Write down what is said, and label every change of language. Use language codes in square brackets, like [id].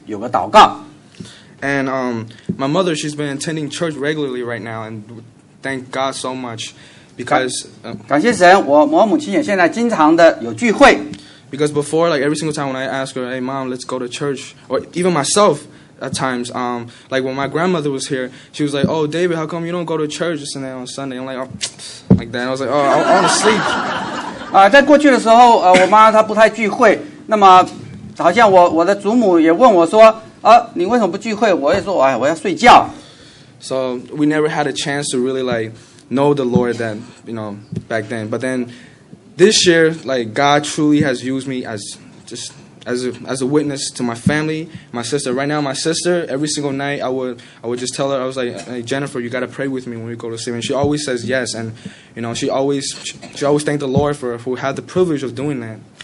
[zh] 所以我妈妈在我身上似乎看到一些好的地方，因为在我过去好像我们也不读经，也不怎么，也不祷告。那么现在呢，我在晚上睡觉之前都有一个祷告。他们以前会说为什么要祷告呢？那就直接去睡觉好了嘛。但是现在呢，我们在睡觉之前有个祷告。 [en] And my mother, she's been attending church regularly right now, and thank God so much because [zh] 感谢神，我母亲也现在经常的有聚会。 [en] Because before, like every single time when I ask her, "Hey, mom, let's go to church," or even myself at times, like when my grandmother was here, she was like, "Oh, David, how come you don't go to church just on Sunday?" I'm like, "Oh, like that." I was like, "Oh, I want to sleep." [zh] 在过去的时候，我妈她不太聚会。那么，好像我的祖母也问我说，你为什么不聚会？我也说，我要睡觉。 [en] So we never had a chance to really like know the Lord then, you know, back then. But then. This year, like God truly has used me as a witness to my family, my sister. Right now, my sister, every single night, I would just tell her, I was like, "Hey, Jennifer, you gotta pray with me when we go to sleep." And she always says yes, and you know, she always thanked the Lord for had the privilege of doing that.